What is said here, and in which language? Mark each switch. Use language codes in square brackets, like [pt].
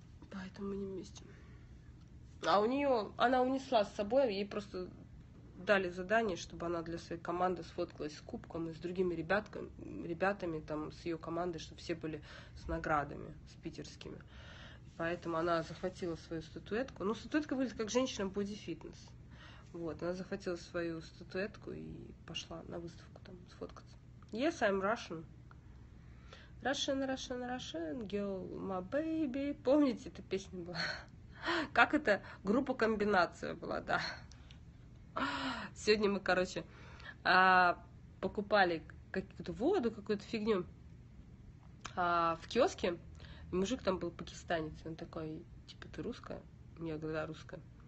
[ru] Поэтому мы не вместе. А у нее, она унесла с собой, ей просто дали задание, чтобы она для своей команды сфоткалась с кубком и с другими ребятами там, с ее командой, чтобы все были с наградами, с питерскими. Поэтому она захватила свою статуэтку. Ну, статуэтка выглядит как женщина бодифитнес. Вот, она захватила свою статуэтку и пошла на выставку там сфоткаться. [en] Yes, I'm Russian. Russian, Russian, Russian, girl, my baby. [ru] Помните, эта песня была? Как это? Группа-комбинация была, да. Сегодня мы, короче, покупали какую-то воду, какую-то фигню в киоске. И мужик там был пакистанец. Он такой, типа, ты русская? Я говорю, да, русская.